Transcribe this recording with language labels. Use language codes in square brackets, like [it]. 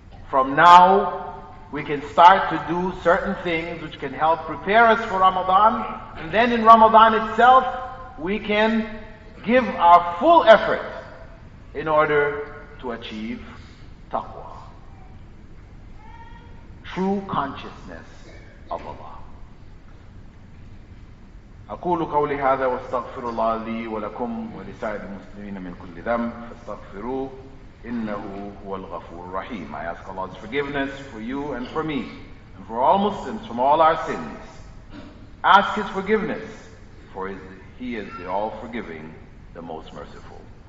[en] From now, we can start to do certain things which can help prepare us for Ramadan, and then in Ramadan itself, we can give our full effort in order to achieve taqwa, true consciousness of Allah. [ar] أقول قولي هذا واستغفر الله لي ولكم ولسائر المسلمين من كل ذنب فاستغفروه إنه هو الغفور الرحيم. [en] I ask Allah's forgiveness for you and for me and for all Muslims from all our sins. Ask His forgiveness, for He is the all-forgiving, the most merciful.